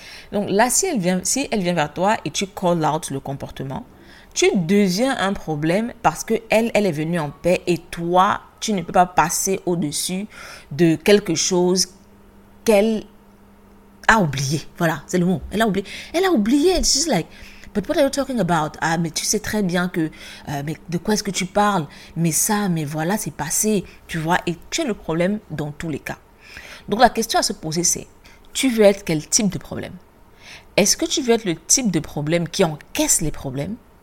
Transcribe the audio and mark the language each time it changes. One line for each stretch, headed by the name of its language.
French: Donc là, si elle vient vers toi et tu
English: call out
French: le comportement, tu deviens un problème parce qu'elle, elle est venue en paix et toi, tu ne peux pas passer au-dessus de quelque chose qu'elle a oublié. Voilà, c'est le mot. Elle a oublié. Elle a oublié.
English: It's just like, but what are you talking about?
French: Ah, mais tu sais très bien que, mais de quoi est-ce que tu parles? Mais ça, mais voilà, c'est passé. Tu vois, et tu es le problème dans tous les cas. Donc, la question à se poser, c'est, tu veux être quel type de problème? Est-ce que tu veux être le type de problème qui encaisse les problèmes?